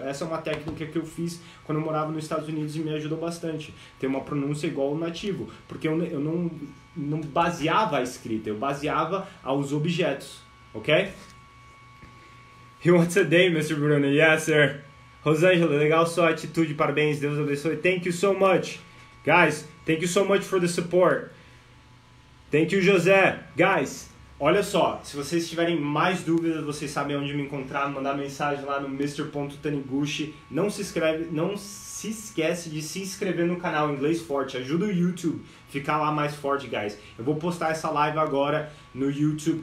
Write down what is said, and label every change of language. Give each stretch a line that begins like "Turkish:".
Portuguese: Essa é uma técnica que eu fiz quando eu morava nos Estados Unidos e me ajudou bastante. Ter uma pronúncia igual ao nativo, porque eu não baseava a escrita, eu baseava aos objetos, ok? He wants a day, Mr. Bruno. Yes, sir. Rosângela, legal sua atitude, parabéns, Deus abençoe.
English: Thank you so much. Guys, thank you so much for the support. Thank you, José. Guys,
Portuguese: Olha só, se vocês tiverem mais dúvidas, vocês sabem onde me encontrar, mandar mensagem lá no Mr.Taniguchi. Não se esquece de se inscrever no canal Inglês Forte. Ajuda o YouTube ficar lá mais forte, guys. Eu vou postar essa live agora no YouTube.